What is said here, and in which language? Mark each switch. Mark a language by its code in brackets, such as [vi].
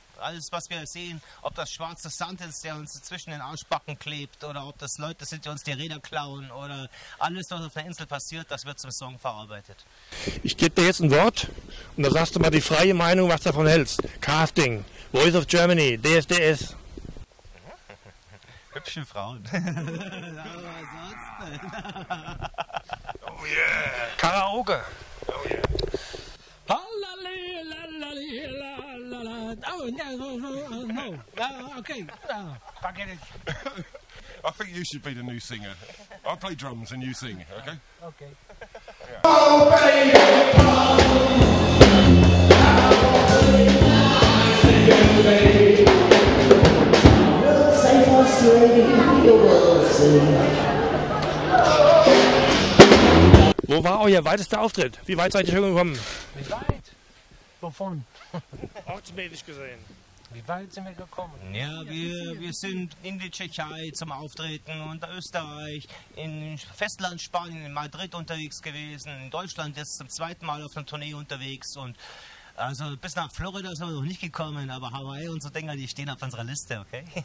[de] Alles, was wir sehen, ob das schwarze Sand ist, der uns zwischen den Arschbacken klebt, oder ob das Leute sind, die uns die Räder klauen, oder alles, was auf der Insel passiert, das wird zum Song verarbeitet. Ich gebe dir jetzt ein Wort und da sagst du mal die freie Meinung, was du davon hältst. Casting, Voice of Germany, DSDS. Hübsche Frauen. Aber sonst. [en] Oh yeah! Karaoke! Oh yeah! Hallali, lalali, lalala. Oh, no. Okay. Forget it. I think you should be the new singer. I'll play drums and you sing, okay? Okay. Oh baby, come on! Now baby, we'll sing for straight, you will sing. [de] Wo war euer weitester Auftritt? Wie weit seid ihr schon gekommen? Wie weit? Wovon? Ortsmäßig gesehen. Wie weit sind wir gekommen? Ja, wir sind in die Tschechei zum Auftreten und Österreich, in Festland Spanien, in Madrid unterwegs gewesen, in Deutschland jetzt zum zweiten Mal auf einer Tournee unterwegs und also bis nach Florida sind wir noch nicht gekommen, aber Hawaii und so Dinger, die stehen auf unserer Liste, okay?